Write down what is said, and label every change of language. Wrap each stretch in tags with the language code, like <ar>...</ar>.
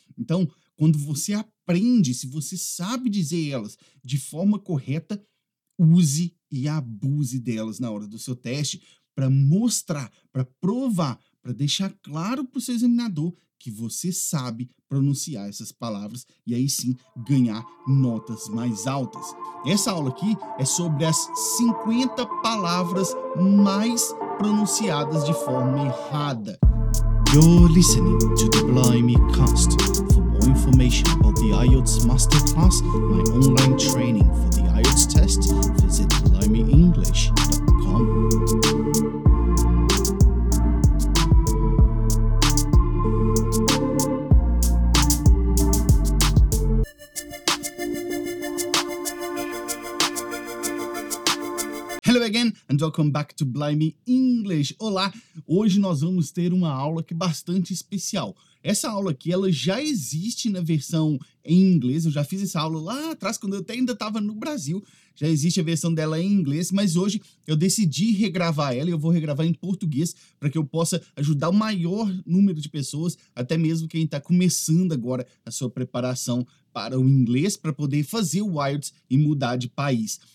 <pt>Então, quando você aprende, se você sabe dizer elas de forma correta, use e abuse delas na hora do seu teste para mostrar, para provar, para deixar claro para o seu examinador que você sabe pronunciar essas palavras e aí sim ganhar notas mais altas. Essa aula aqui é sobre as 50 palavras mais pronunciadas de forma errada.</pt> <en>You're listening to the Blimecast. For more information about the IELTS Masterclass, my online training for the IELTS test, visit blimeenglish.com. Again and welcome back to Blimey English.</en> <pt>Olá, hoje nós vamos ter uma aula que é bastante especial. Essa aula aqui, ela já existe na versão em inglês, eu já fiz essa aula lá atrás, quando eu até ainda estava no Brasil, já existe a versão dela em inglês, mas hoje eu decidi regravar ela e eu vou regravar em português para que eu possa ajudar o maior número de pessoas, até mesmo quem está começando agora a sua preparação para o inglês, para poder fazer o IELTS e mudar de país.</pt>